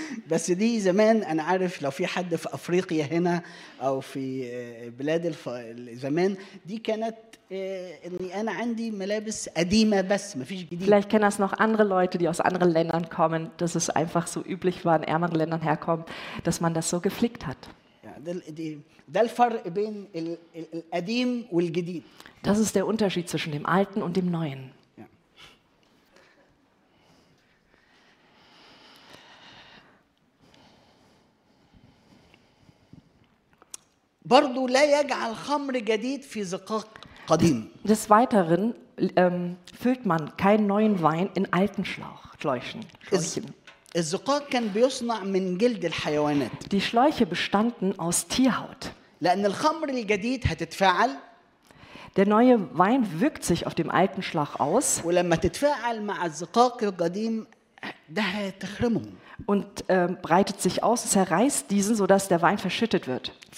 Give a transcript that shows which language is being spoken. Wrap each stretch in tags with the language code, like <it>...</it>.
<ar>بس دي زمان انا عارف لو في حد في افريقيا هنا او في بلاد زمان دي كانت اني انا عندي ملابس قديمه بس مفيش جديد.</ar> <de>Vielleicht kennen das noch andere Leute, die aus anderen Ländern kommen, dass es einfach so üblich war in ärmeren Ländern herkommen, dass man das so gepflegt hat.</de> <ar>ده الفرق بين القديم والجديد.</ar> <de>Das ist der Unterschied zwischen dem alten und dem neuen.</de> <ar>برضو لا يجعل خمر جديد في زقاق قديم.</ar> <de>Des Weiteren füllt man keinen neuen Wein in alten Schläuchen.</de> <ar>الزقاق كان بيصنع من جلد الحيوانات.</ar> <de>Die Schläuche bestanden aus Tierhaut.</de> <ar>لأن الخمر الجديد هتتفاعل.</ar> <de>Der neue Wein wirkt sich auf dem alten Schlauch aus.</de> <ar>ولما تتفاعل مع الزقاق القديم ده هيتخرمه.</ar> <de>Und breitet sich aus, zerreißt diesen, sodass der Wein verschüttet wird.</de>